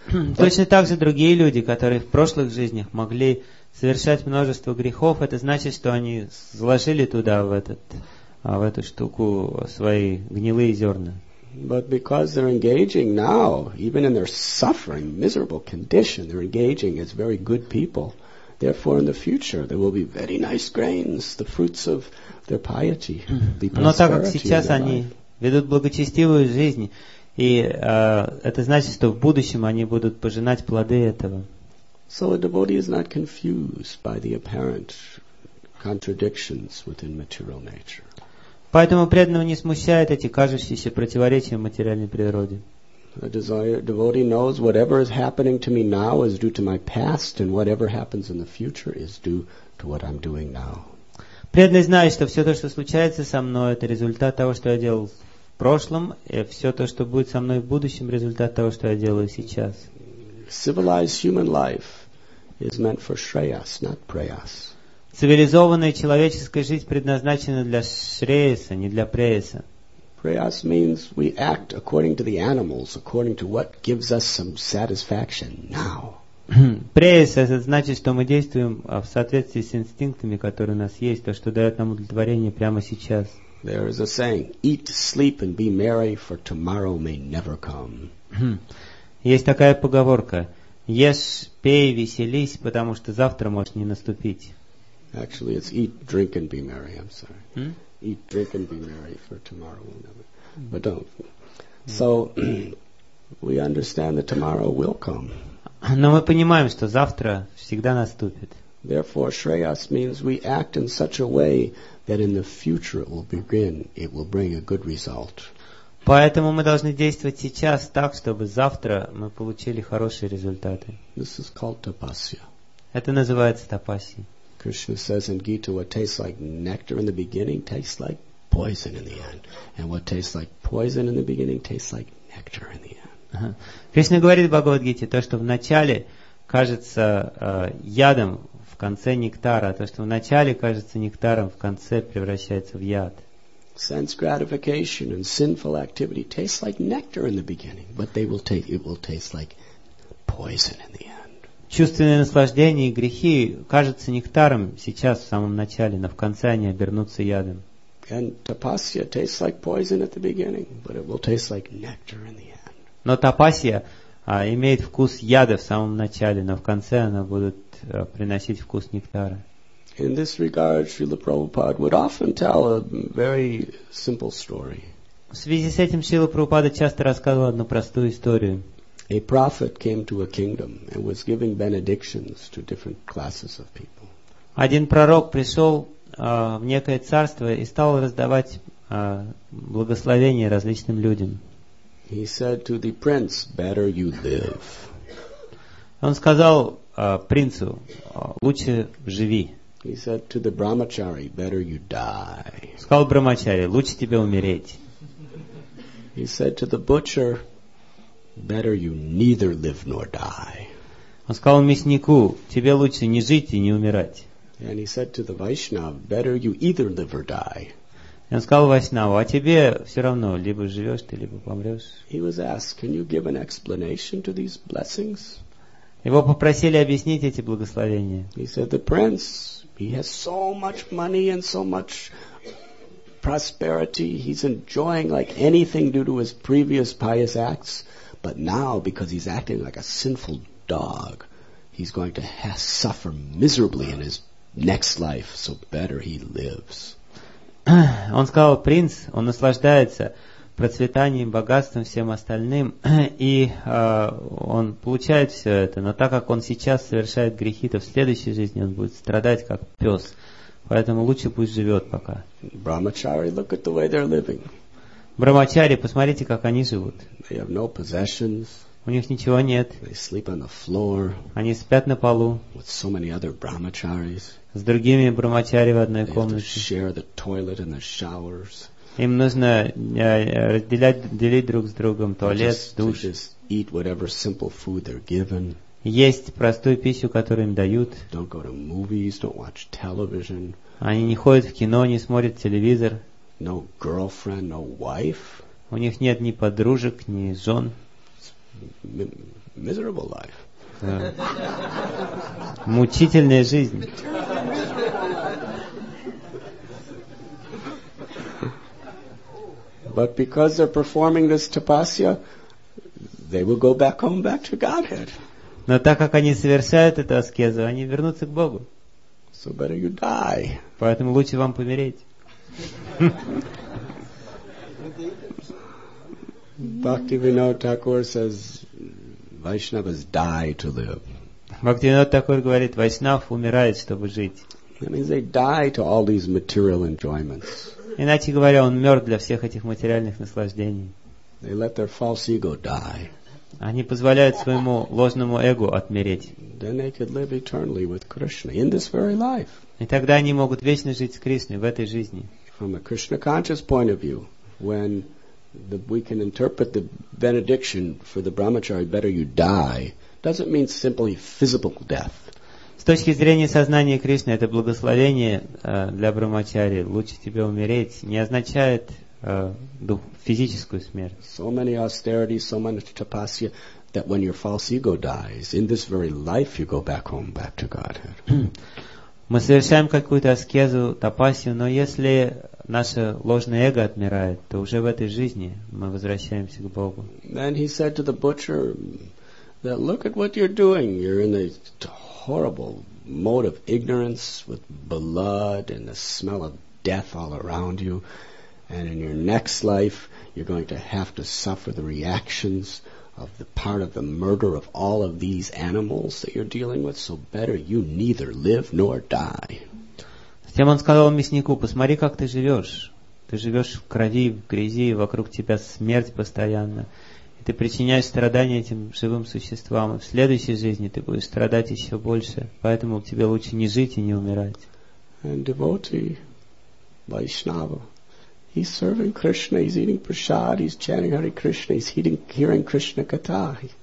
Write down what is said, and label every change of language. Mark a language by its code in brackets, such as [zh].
[ru] Точно так же другие люди, которые в прошлых жизнях могли совершать множество грехов, это значит, что они заложили туда, в эту штуку, свои гнилые зерна. [en] But because they're engaging now, even in their suffering, miserable condition, they're engaging as very good people. Therefore, in the future, there will be very nice grains, the fruits of their piety, the prosperity in their life. [ru] Но так как сейчас они ведут благочестивую жизнь, и это значит, что в будущем они будут пожинать плоды этого. [en] So a devotee is not confused by the apparent contradictions within material nature. [ru] Поэтому преданного не смущают эти кажущиеся противоречия в материальной природе. [en] A devotee knows whatever is happening to me now is due to my past, and whatever happens in the future is due to what I'm doing now. [ru] Преданный знает, что все то, что случается со мной, это результат того, что я делал в прошлом, и все то, что будет со мной в будущем, результат того, что я делаю сейчас. [en] Civilized human life is meant for shreyas, not preyas. [ru] Цивилизованная человеческая жизнь предназначена для шреяса, не для преяса. [en] Preyas means we act according to the animals, according to what gives us some satisfaction now. [ru] Preyas – это значит, что мы действуем в соответствии с инстинктами, которые у нас есть, то, что дает нам удовлетворение прямо сейчас. [en] There is a saying, eat, sleep and be merry, for tomorrow may never come. [ru] Есть такая поговорка, ешь, пей, веселись, потому что завтра может не наступить. [en] Actually, it's eat, drink, and be merry. I'm sorry. Hmm? Eat, drink, and be merry, for tomorrow will never. But don't. So, We understand that tomorrow will come. [ru] Но мы понимаем, что завтра всегда наступит. [en] Therefore, shreyas means we act in such a way that in the future it will begin, it will bring a good result. [ru] Поэтому мы должны действовать сейчас так, чтобы завтра мы получили хорошие результаты. [en] This is called tapasya. [ru] Это называется тапасья. [en] Krishna says in Gita, what tastes like nectar in the beginning tastes like poison in the end. And what tastes like poison in the beginning tastes like nectar in the end. [ru] Кришна говорит в Бхагавад-гите, то, что в начале кажется ядом, в конце нектара, то, что в начале кажется нектаром, в конце превращается в яд. [en] Sense gratification and sinful activity tastes like nectar in the beginning, but they will taste, it will taste like poison in the end. [ru] Чувственное наслаждение и грехи кажутся нектаром сейчас, в самом начале, но в конце они обернутся ядом. [en] And tapasya tastes like poison at the beginning, but it will taste like nectar in the end. [ru] Но тапасья имеет вкус яда в самом начале, но в конце она будет приносить вкус нектара. [en] In this regard, Srila Prabhupada would often tell a very simple story. [ru] В связи с этим Шрила Прабхупада часто рассказывал одну простую историю. [en] A prophet came to a kingdom and was giving benedictions to different classes of people. [ru] Один пророк пришел в некое царство и стал раздавать благословения различным людям. [en] He said to the prince, "Better you live." [ru] Он сказал принцу, лучше живи. [en] He said to the brahmachari, "Better you die." [ru] Сказал брахмачари, лучше тебе умереть. [en] He said to the butcher, "Better you neither live nor die." [ru] Он сказал мяснику, тебе лучше не жить и не умирать. [en] And he said to the vaishnav, "Better you either live or die." [ru] Он сказал Вайшнаву, а тебе все равно, либо живешь ты, либо помрешь. [en] He was asked, can you give an explanation to these blessings? [ru] Его попросили объяснить эти благословения. [en] He said, the prince, he has so much money and so much prosperity, he's enjoying like anything due to his previous pious acts, but now, because he's acting like a sinful dog, he's going to suffer miserably in his next life, so better he lives. [ru] Он сказал, принц, он наслаждается процветанием, богатством, всем остальным, и он получает все это, но так как он сейчас совершает грехи, то в следующей жизни он будет страдать, как пес, поэтому лучше пусть живет пока. [en] Brahmachari, look at the way they're living. [ru] Брахмачари, посмотрите, как они живут. [en] They have no possessions. [ru] У них ничего нет. [en] They sleep on the floor. [ru] Они спят на полу. [en] With so many other brahmacharis. [ru] С другими брахмачари в одной [en] they [ru] комнате. [en] Have to share the toilet and the showers. [ru] Им нужно делить друг с другом туалет, душ. [en] They just eat whatever simple food they're given. [ru] Есть простую пищу, которую им дают. [en] Don't go to movies, don't watch television. [ru] Они не ходят в кино, не смотрят телевизор. [en] No girlfriend, no wife. [ru] У них нет ни подружек, ни жен. [en] Miserable life. [ru] Мучительная жизнь. [en] But because they're performing this tapasya, they will go back home, back to Godhead. [ru] Но так как они совершают эту аскезу, они вернутся к Богу. [en] So better you die. [ru] Поэтому лучше вам помереть. [en] Bhaktivinoda Thakur says, Vaishnavas die to live. [ru] Bhaktivinoda Thakur говорит, Vaishnav умирает, чтобы жить. [en] That means they die to all these material enjoyments. [ru] Иначе говоря, он мертв для всех этих материальных наслаждений. [en] They let their false ego die. [ru] Они позволяют своему ложному эго отмереть. [en] Then they could live eternally with Krishna in this very life. [ru] И тогда они могут вечно жить с Кришной в этой жизни. [en] From a Krishna conscious point of view, when we can interpret the benediction for the brahmachari, better you die, doesn't mean simply physical death. [ru] С точки зрения сознания Кришны, это благословение для брахмачари, лучше тебе умереть, не означает физическую смерть. [en] So many austerities, so many tapasya, that when your false ego dies, in this very life you go back home, back to Godhead. [ru] Мы совершаем какую-то аскезу, тапасью, но если наше ложное эго отмирает, то уже в этой жизни мы возвращаемся к Богу. [en] Then he said to the butcher that look at what you're doing. You're in a horrible mode of ignorance with blood and the smell of death all around you. And in your next life, you're going to have to suffer the reactions of the part of the murder of all of these animals that you're dealing with, so better you neither live nor die. [ru] Стефан сказал мяснику: "Посмотри, как ты живешь. Ты живешь в крови, в грязи, вокруг тебя смерть постоянно. Ты причиняешь страдания этим живым существам. В следующей жизни ты будешь страдать еще больше. Поэтому тебе лучше не жить и не умирать." [en] And devotee, Vaishnava, he's serving Krishna, he's eating prasad, he's chanting Hare Krishna, he's hearing Krishna katha.